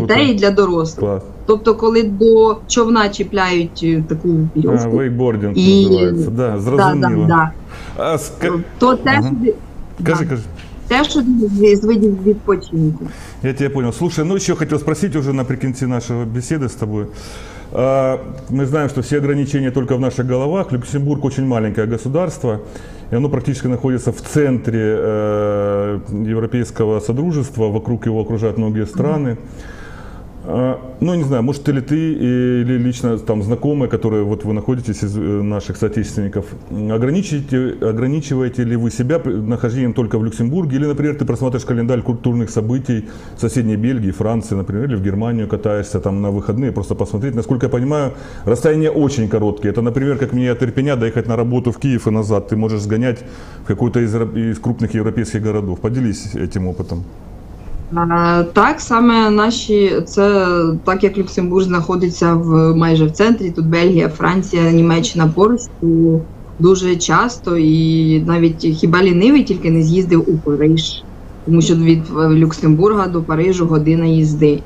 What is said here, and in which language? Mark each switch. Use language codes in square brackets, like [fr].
[uk] Дітей, і для дорослих. Клас. Тобто, коли до човна чіпляють таку вірьовку. Вейкбордінг називається, да, зрозуміло. Да, да, да. Кажи. Те, що з видів відпочинку. Я тебе зрозумів. Слушай, ну ще хотів спросити вже наприкінці нашої бесіди з тобою. [ru] Мы знаем, что все ограничения только в наших головах. Люксембург очень маленькое государство, и оно практически находится в центре европейского содружества, вокруг его окружают многие страны. Ну, не знаю, может, или ты, или лично там знакомые, которые вот вы находитесь из наших соотечественников, ограничиваете ли вы себя нахождением только в Люксембурге, или, например, ты просматриваешь календарь культурных событий в соседней Бельгии, Франции, например, или в Германию катаешься там на выходные, просто посмотреть. Насколько я понимаю, расстояния очень короткие. Это, например, как мне от Ирпеня доехать на работу в Киев и назад. Ты можешь сгонять в какой-то из крупных европейских городов. Поделись этим опытом. [uk] Так, саме наші, це так як Люксембург знаходиться в майже в центрі, тут Бельгія, Франція, Німеччина, Польща, дуже часто і навіть хіба лінивий тільки не з'їздив у Париж, тому що від Люксембурга до Парижу година їзди.